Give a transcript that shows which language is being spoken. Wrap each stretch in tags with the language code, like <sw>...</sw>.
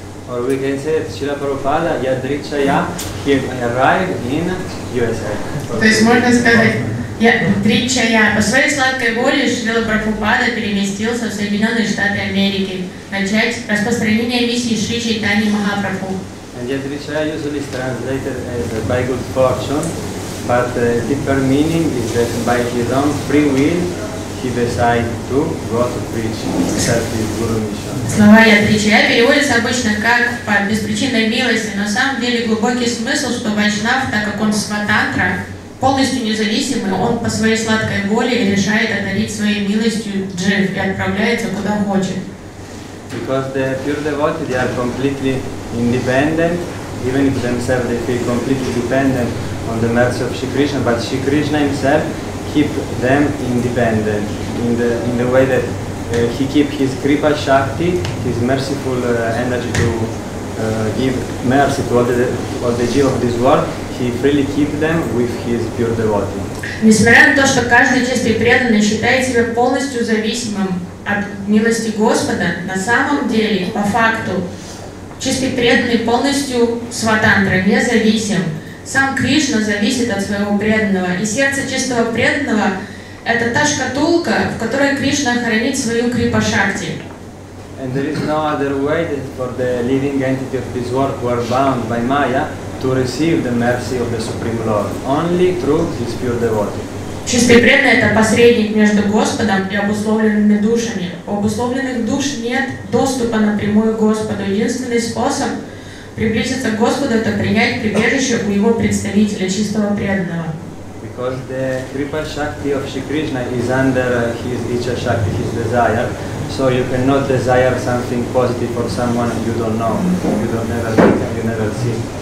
<en>Or we can say Шрила Прабхупада Ядричая, he arrived in USA.</en> <ru>То есть можно сказать, Ядричая, по своей сладкой воле Шрила Прабхупада переместился в Соединенные Штаты Америки начать распространение миссии Шри Чайтаньи Махапрабху.</ru> <en>And Ядричая usually is translated as by good fortune. But the deeper meaning is that by his own free will, he decided to go to preach his Guru mission.</en> <ru>Слова Ядричая переводятся обычно как по беспричинной милости, но на самом деле глубокий смысл, что Вайшнав, так как он сватантра, полностью независимый, он по своей сладкой воле решает одарить своей милостью джив и отправляется куда хочет.</ru> <en>Because the pure devotees, they are completely independent, even if themselves they feel completely dependent on the mercy of Shri Krishna, but Shri Krishna himself keep them independent in the way that he keep his Kripa Shakti, his merciful energy to give mercy to all the jiva of this world, he freely keep them with his pure devotee.</en> <ru>Несмотря на то, что каждый чистый преданный считает себя полностью зависимым от милости Господа, на самом деле, по факту, чистый преданный полностью сватантра, независим. Сам Кришна зависит от своего преданного, и сердце чистого преданного – это та шкатулка, в которой Кришна хранит свою крипа-шакти.</ru> <en>And there is no other way for the living entity of this world who are bound by Maya to receive the mercy of the Supreme Lord. Only through his pure devotee.</en> <ru>Чистый преданный – это посредник между Господом и обусловленными душами. У обусловленных душ нет доступа напрямую к Господу. Единственный способ приблизиться к Господу – это принять прибежище у Его представителя, чистого преданного.</ru> <en>Because the Kripa Shakti of Shri Krishna is under his Ichha Shakti, his desire. So you cannot desire something positive for someone you don't know, you don't never meet and you never see.</en>